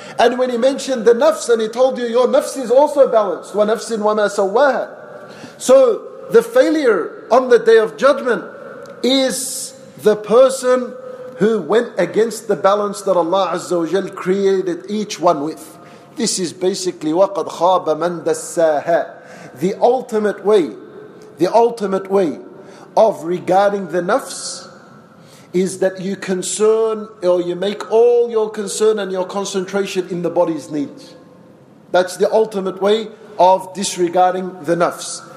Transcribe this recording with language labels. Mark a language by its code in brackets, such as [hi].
[en] And when He mentioned the nafs and He told you, your nafs is also balanced. [ar] Wa nafsin wa ma sawaha. [en] So the failure on the Day of Judgment is the person who went against the balance that Allah Azza wa Jal created each one with. This is basically [ar] وَقَدْ خَابَ مَنْ دَسَّاهَا. [en] The ultimate way of regarding the nafs is that you concern or you make all your concern and your concentration in the body's needs. That's the ultimate way of disregarding the nafs.